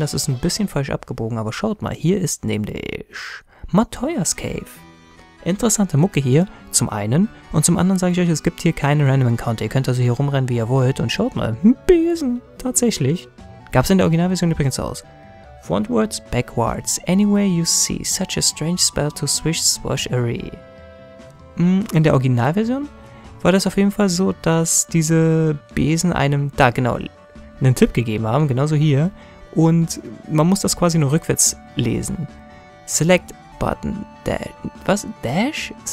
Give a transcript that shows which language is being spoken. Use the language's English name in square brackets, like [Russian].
[German] Das ist ein bisschen falsch abgebogen, aber schaut mal. Hier ist nämlich Matoyas Cave. Interessante Mucke hier, zum einen. Und zum anderen sage ich euch, es gibt hier keine Random Encounter. Ihr könnt also hier rumrennen, wie ihr wollt. Und schaut mal, ein Besen, tatsächlich. Gab es in der Originalversion übrigens aus. [English] Frontwards, backwards, anywhere you see, such a strange spell to swish swash away. [German] In der Originalversion war das auf jeden Fall so, dass diese Besen einem, da genau, einen Tipp gegeben haben, genauso hier. Und man muss das quasi nur rückwärts lesen. Select Button Dash. Was? Dash?